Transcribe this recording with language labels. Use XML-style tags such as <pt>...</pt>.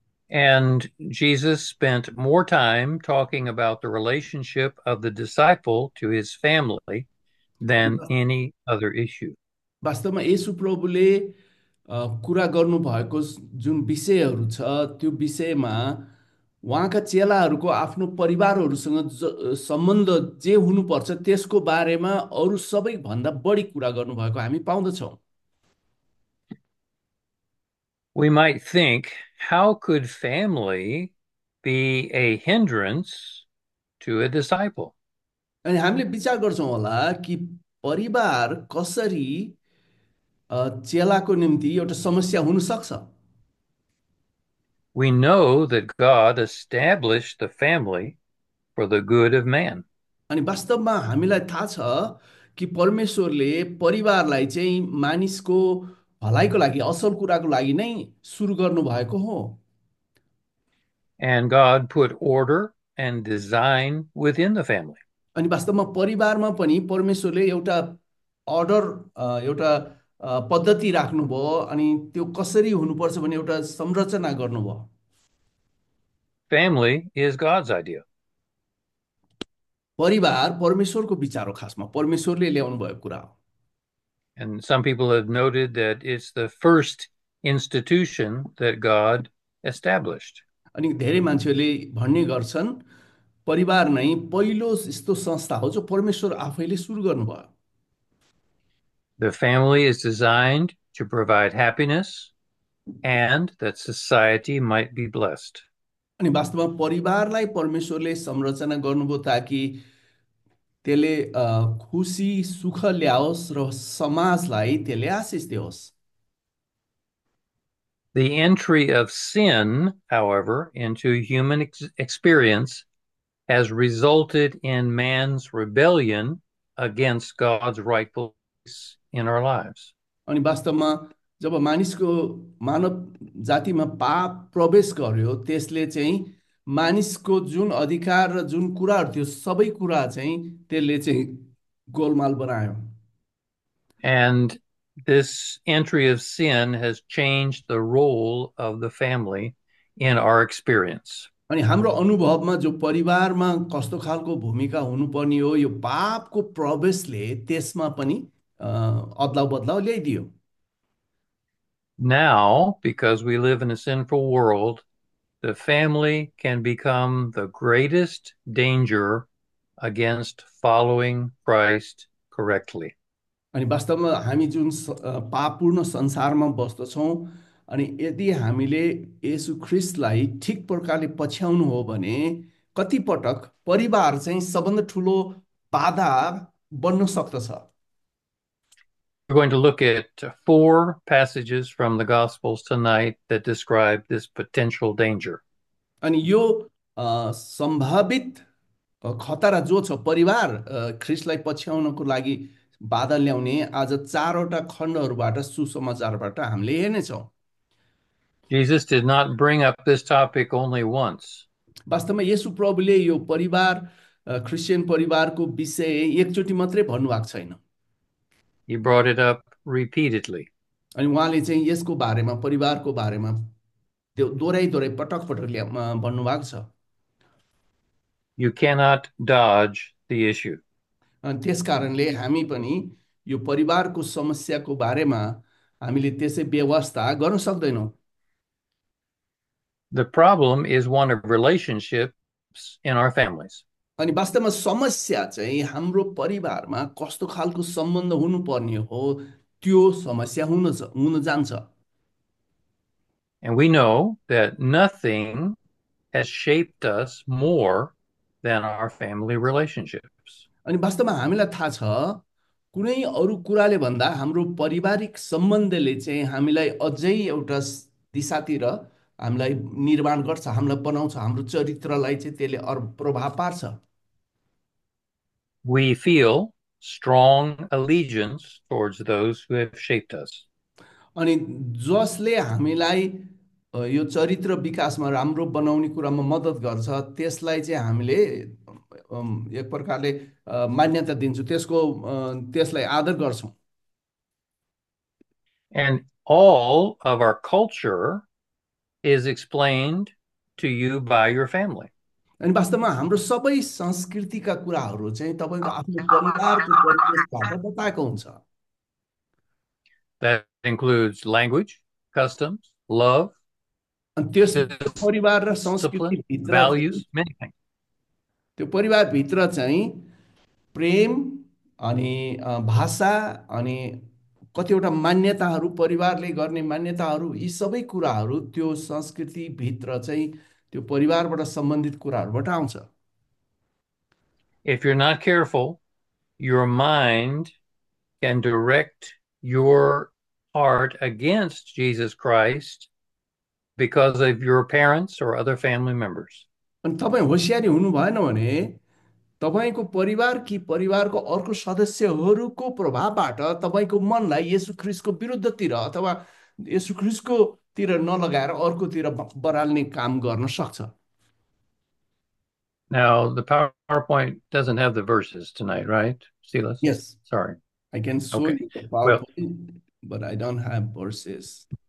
<en>And Jesus spent more time talking about the relationship of the disciple to his family than any other issue.</en> <ne>वास्तवमा येशु प्रभुले कुरा गर्नुभएको जुन विषयहरू छ त्यो विषयमा उहाँका चेलाहरूको आफ्नो परिवारहरूसँग सम्बन्ध जे हुनुपर्छ त्यसको बारेमा अरू सबैभन्दा बढी कुरा गर्नुभएको हामी पाउँदछौँ।</ne> <en>We might think, how could family be a hindrance to a disciple?</en> <ne>अनि हामीले विचार गर्छौँ होला कि परिवार कसरी चेलाको निम्ति एउटा समस्या हुनसक्छ।</ne> <en>We know that God established the family for the good of man.</en> <ne>अनि वास्तवमा हामीलाई थाहा छ कि परमेश्वरले परिवारलाई चाहिँ मानिसको भलाइको लागि, असल कुराको लागि नै सुरु गर्नुभएको हो।</ne> <en>And God put order and design within the family.</en> <ne>अनि वास्तवमा परिवारमा पनि परमेश्वरले एउटा अर्डर, एउटा पद्धति राख्नुभयो, अनि त्यो कसरी हुनुपर्छ भन्ने एउटा संरचना गर्नुभयो।</ne> <en>Family is God's idea.</en> <ne>परिवार परमेश्वरको विचार हो, खासमा परमेश्वरले ल्याउनु भएको कुरा हो।</ne> <en>And some people have noted that it's the first institution that God established.</en> <ne>अनि धेरै मान्छेहरूले भन्ने गर्छन् परिवार नै पहिलो यस्तो संस्था हो जो परमेश्वर आफैले सुरु गर्नुभयो।</ne> <en>The family is designed to provide happiness and that society might be blessed.</en> <ne>अनि वास्तवमा परिवारलाई परमेश्वरले संरचना गर्नुभयो ताकि त्यसले खुसी सुख ल्याओस् र समाजलाई त्यसले आशिष दियोस्।</ne> <en>The entry of sin, however, into human experience has resulted in man's rebellion against God's rightful place in our lives.</en> <ne>अनि वास्तवमा जब मानिसको मानव जातिमा पाप प्रवेश गर्यो त्यसले चाहिँ मानिसको जुन अधिकार र जुन कुराहरू थियो सबै कुरा चाहिँ त्यसले चाहिँ गोलमाल बनायो।</ne> <en>And this entry of sin has changed the role of the family in our experience.</en> <ne>अनि हाम्रो अनुभवमा जो परिवारमा कस्तो खालको भूमिका हुनुपर्ने हो यो पापको प्रवेशले त्यसमा पनि अदलाव बदलाव ल्याइदियो।</ne> <en>Now, because we live in a sinful world, the family can become the greatest danger against following Christ correctly.</en> <ne>अनि वास्तवमा हामी जुन पापपूर्ण संसारमा बस्दछौँ अनि यदि हामीले येशु ख्रिस्टलाई ठिक प्रकारले पछ्याउनु हो भने कतिपटक परिवार चाहिँ सबभन्दा ठुलो बाधा बन्न सक्दछ।</ne> <en>We're going to look at four passages from the Gospels tonight that describe this potential danger.</en> <ne>अनि यो सम्भावित खतरा जो छ परिवार ख्रिस्टलाई पछ्याउनको लागि बाधा ल्याउने आज चारवटा खण्डहरूबाट सुसमाचारबाट हामीले हेर्नेछौँ।</ne> <en>Jesus did not bring up this topic only once.</en> <ne>वास्तवमा येशु प्रभुले यो परिवार क्रिश्चियन परिवारको विषय एकचोटि मात्रै भन्नुभएको छैन</ne> <en>He brought it up repeatedly.</en> <ne>अनि उहाँले चाहिँ यसको बारेमा परिवारको बारेमा त्यो दोहोऱ्याइ दोहोऱ्याइ पटक पटक भन्नुभएको छ।</ne> <en>You cannot dodge the issue.</en> <ne>अनि त्यस कारणले हामी पनि यो परिवारको समस्याको बारेमा हामीले त्यसै व्यवस्था गर्न सक्दैनौँ।</ne> <en>The problem is one of relationships in our families.</en> <ne>अनि वास्तवमा समस्या चाहिँ हाम्रो परिवारमा कस्तो खालको सम्बन्ध हुनुपर्ने हो त्यो समस्या हुन जान्छ।</ne> <en>And we know that nothing has shaped us more than our family relationships.</en> <ne>अनि वास्तवमा हामीलाई थाहा छ कुनै अरू कुराले भन्दा हाम्रो पारिवारिक सम्बन्धले चाहिँ हामीलाई अझै एउटा दिशातिर हामीलाई निर्माण गर्छ, हामीलाई बनाउँछ, हाम्रो चरित्रलाई चाहिँ त्यसले अरू प्रभाव पार्छ।</ne> <en>We feel strong allegiance towards those who have shaped us.</en> <ne>अनि जसले हामीलाई यो चरित्र विकासमा राम्रो बनाउने कुरामा मद्दत गर्छ त्यसलाई चाहिँ हामीले एक प्रकारले मान्यता दिन्छौँ, त्यसको त्यसलाई आदर गर्छौँ।</ne> <en>And all of our culture is explained to you by your family.</en> <ne>अनि वास्तवमा हाम्रो सबै संस्कृतिका कुराहरू चाहिँ तपाईँको आफ्नो परिवारको परिवेशबाट बताएको हुन्छ।</ne> <en>That includes language, customs, love,</en> <ne>अनि त्यस परिवार र</ne> <en>discipline,</en> <ne>संस्कृतिभित्र</ne> <en>values, many things.</en> <ne>त्यो परिवारभित्र चाहिँ प्रेम अनि भाषा अनि कतिवटा मान्यताहरू परिवारले गर्ने मान्यताहरू यी सबै कुराहरू त्यो संस्कृतिभित्र चाहिँ त्यो परिवारबाट सम्बन्धित कुराहरूबाट आउँछ।</ne> <en>If you're not careful, your mind can direct your heart against Jesus Christ because of your parents or other family members.</en> <ne>अनि तपाईँ होसियारी हुनु भएन भने तपाईँको परिवार कि परिवारको अर्को सदस्यहरूको प्रभावबाट तपाईँको मनलाई येशु ख्रिस्टको विरुद्धतिर अथवा येशु ख्रिस्टको तिर नलगाएर अर्कोतिर बराल्ने काम गर्न सक्छ।</ne> <en>Now, the PowerPoint doesn't have the verses tonight, right, Silas? Yes, Sorry. I can show Okay, you the well. PowerPoint, but I don't have verses.</en>